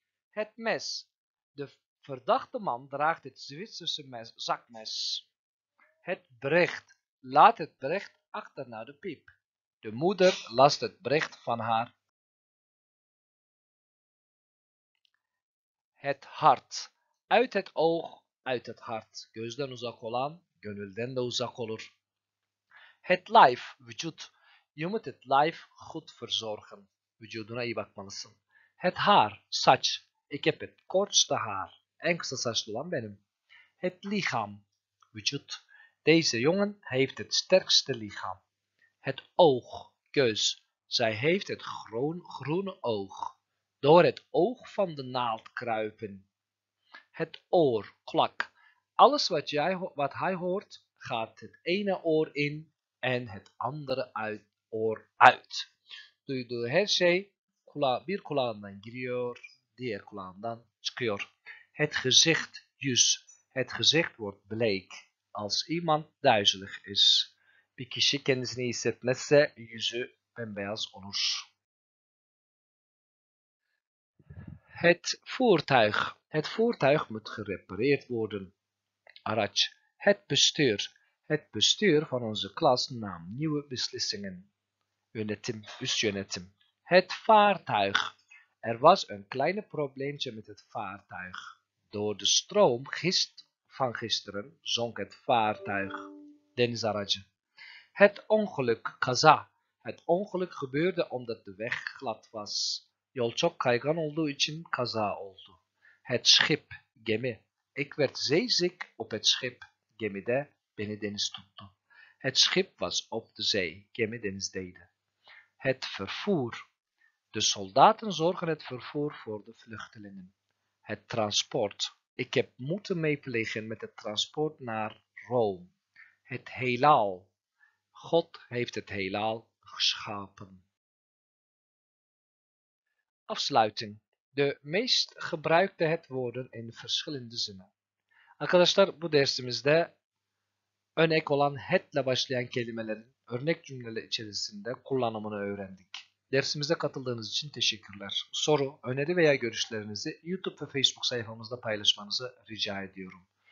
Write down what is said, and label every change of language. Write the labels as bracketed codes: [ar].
[nl] Het mes, de verdachte man draagt het Zwitserse mes, zakmes. Het bericht, laat het bericht achter naar de piep. De moeder las het bericht van haar. Het hart, uit het oog, uit het hart. [tr] Gözden uzak olan, gönülden de uzak olur. [nl] Het lijf, [tr] vücut. [nl] Je moet het lijf goed verzorgen. [tr] Vücuduna iyi bakmalısın. [nl] Het haar, [tr] saç. [nl] Ik heb het kortste haar. [tr] En kısa saçlı olan benim. [nl] Het lichaam, [tr] vücut. [nl] Deze jongen heeft het sterkste lichaam. Het oog, [tr] göz. [nl] Zij heeft het groene oog. Door het oog van de naald kruipen. Het oor, klak. Alles wat hij hoort, gaat het ene oor in en het andere oor uit. [tr] Duyduğu her şey bir kulağından giriyor, diğer kulağından çıkıyor. [nl] Het gezicht, [tr] yüz. [nl] Het gezicht wordt bleek als iemand duizelig is. [tr] Bir kişi kendisini iyi hissetmezse yüzü bembeyaz olur. [nl] Het voertuig. Het voertuig moet gerepareerd worden. [tr] Araç. [nl] Het bestuur. Het bestuur van onze klas nam nieuwe beslissingen. [tr] Yönetim. Üst yönetim. [nl] Het vaartuig. Er was een klein probleempje met het vaartuig. Door de stroom van gisteren zonk het vaartuig. [tr] Deniz aracı. [nl] Het ongeluk. [tr] Kaza. [nl] Het ongeluk gebeurde omdat de weg glad was. Yol çok kaygan olduğu için kaza oldu. Het schip, [tr] gemi. [nl] Ik werd zeeziek op het schip, [tr] gemide, beni deniz tuttu. [nl] Het schip was op de zee, [tr] gemi denizdeydi. [nl] Het vervoer. De soldaten zorgen het vervoer voor de vluchtelingen. Het transport. Ik heb moeten meeplegen met het transport naar Rome. Het heelal. God heeft het heelal geschapen. Afsluiting. De meest gebruikte het woorden in verschillende zinnen. [tr] Arkadaşlar, bu dersimizde örnek olan het'le başlayan kelimelerin örnek cümleler içerisinde kullanımını öğrendik. Dersimize katıldığınız için teşekkürler. Soru, öneri veya görüşlerinizi YouTube ve Facebook sayfamızda paylaşmanızı rica ediyorum.